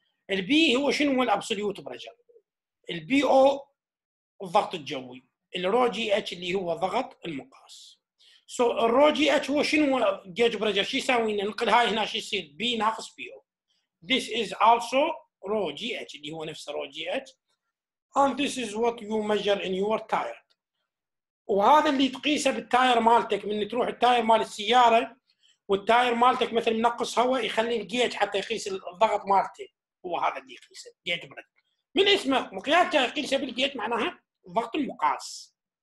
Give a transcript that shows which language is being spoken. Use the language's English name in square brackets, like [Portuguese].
[Arabic] البي هو شنو هو الابسوليوت بريشر؟ البي او الضغط الجوي، الرو جي اتش اللي هو ضغط المقاس. سو الرو جي اتش هو شنو جيج بريشر؟ شو يساوي لنا؟ ننقل هاي هنا شو يصير؟ بي ناقص بي او. [English] This is also [Arabic] رو جي اتش اللي هو نفس رو جي اتش. [English] And this is what you measure in your tire. [Arabic] وهذا اللي تقيسه بالتاير مالتك، من تروح التاير مال السياره والتاير مالتك مثلا ينقص هواء يخلي الجيج حتى يقيس الضغط مالته. هو هذا اللي يقيسه جيج بريجر. من اسمه مقياس يقيسه بالجيج معناها ضغط المقاس.